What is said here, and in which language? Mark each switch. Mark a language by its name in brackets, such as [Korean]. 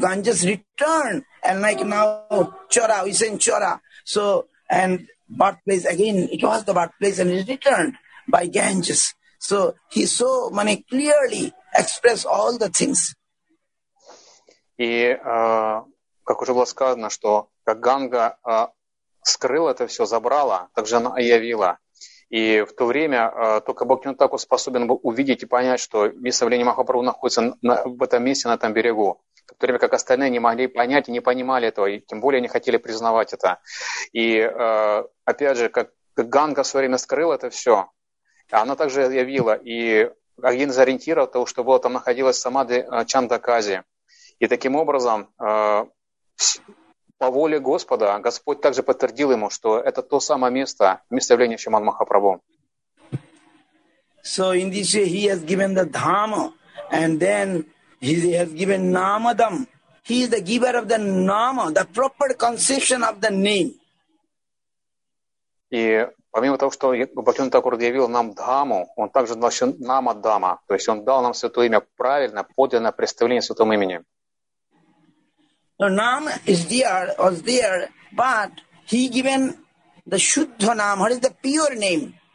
[English] Ganges returned, and like now Chora, we say Chora. So and birthplace again, it was the birthplace and it returned by Ganges. So he so many clearly expressed all the things. [Russian] И как уже было сказано, что как Ганга скрыла это все, забрала, так же она явила. И в то время только Бхактивинода Тхакур способен был увидеть и понять, что место влияния Махапрабху находится в этом месте, на этом берегу. В то время как остальные не могли понять и не понимали этого, и тем более не хотели признавать это. И опять же, как Ганга в свое время скрыла это все, она также явила. И один из ориентиров того, что было там, находилась Самадхи Чандакази. И таким образом, по воле Господа, Господь также подтвердил ему, что это то самое место, место явления Шриман Махапрабху. [English] So in this way, he has given the dhamma, and then he has given Namadam. He is the giver of the Nama, the proper conception of the name. [Russian] И помимо того, что Бхактивинода Тхакур явил нам Дхаму, он также дал Намадама, то есть он дал нам святое имя, правильно, подлинное представление святого имени. [English] The Nam is there, was there, but he given the Shuddha Nam, what is the pure name?